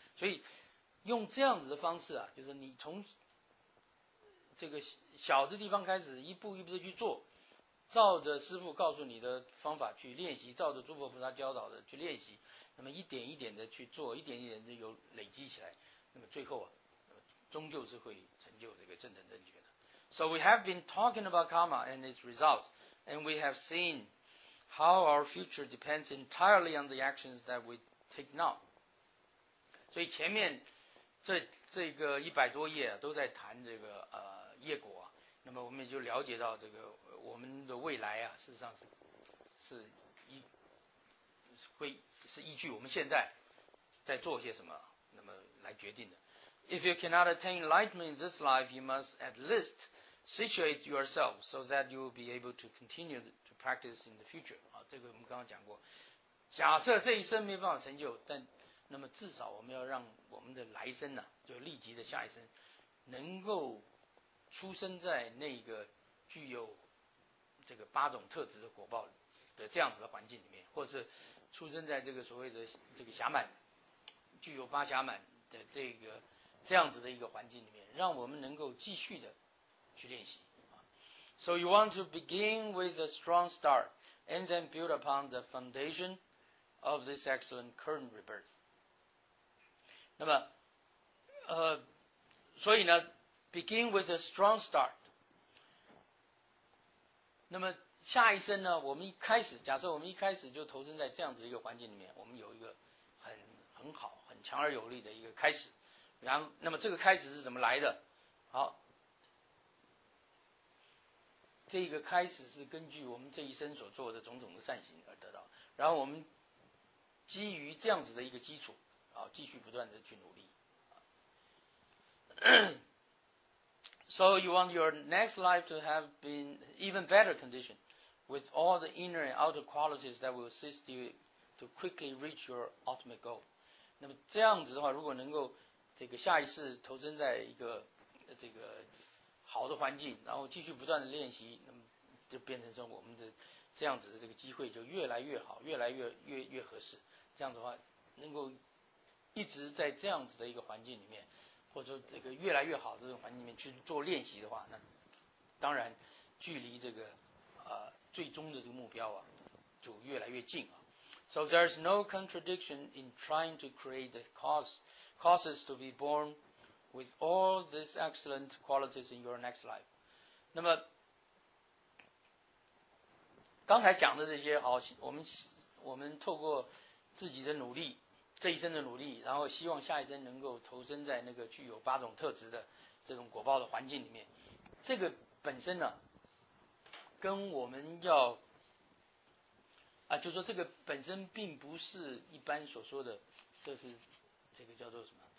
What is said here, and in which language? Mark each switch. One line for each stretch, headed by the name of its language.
Chinese: 所以用这样子的方式啊，就是你从这个小的地方开始，一步一步的去做，照着师父告诉你的方法去练习，照着诸佛菩萨教导的去练习，那么一点一点的去做，一点一点的有累积起来，那么最后啊，终究是会成就这个正等正觉的。
English: So we have been talking about karma and its results, and we have seen how our future depends entirely on the actions that we take now.
Chinese: 所以前面这个一百多页、啊、都在谈这个业果、啊、那么我们也就了解到这个我们的未来啊，事实上是依据我们现在在做些什么，那么来决定的。
English: If you cannot attain enlightenment in this life, you must at least situate yourself so that you will be able to continue to practice in the future.
Chinese: 啊，这个我们刚刚讲过，假设这一生没办法成就，但那么至少我们要让我们的来生呢、啊，就立即的下一生，能够出生在那个具有这个八种特质的果报的这样子的环境里面，或者是出生在这个所谓的这个霞满，具有八霞满的这个这样子的一个环境里面，让我们能够继续的去练习。
English: So you want to begin with a strong start, and then build upon the foundation of this excellent current rebirth.
Chinese: 那么所以呢
English: begin with a strong start，
Chinese: 那么下一生呢，我们一开始假设我们一开始就投身在这样子一个环境里面，我们有一个很好很强而有力的一个开始，然后那么这个开始是怎么来的？好，这个开始是根据我们这一生所做的种种的善行而得到，然后我们基于这样子的一个基础继续不断的去努力。
English: So you want your next life to have been even better condition with all the inner and outer qualities that will assist you to quickly reach your ultimate goal.
Chinese: 那么这样子的话，如果能够这个下一次投身在一个这个好的环境，然后继续不断的练习，那么就变成说我们的这样子的这个机会就越来越好，越来越合适。这样子的话，能够一直在这样子的一个环境里面，或者说这个越来越好的这种环境里面去做练习的话，那当然距离这个最终的这个目标啊，就越来越近啊。
English: So there is no contradiction in trying to create the causes to be born with all these excellent qualities in your next life.
Chinese: 那么刚才讲的这些，好，我们透过自己的努力，这一生的努力，然后希望下一生能够投身在那个具有八种特质的这种果报的环境里面。这个本身呢，跟我们要就是说这个本身并不是一般所说的，这是这个叫做什么？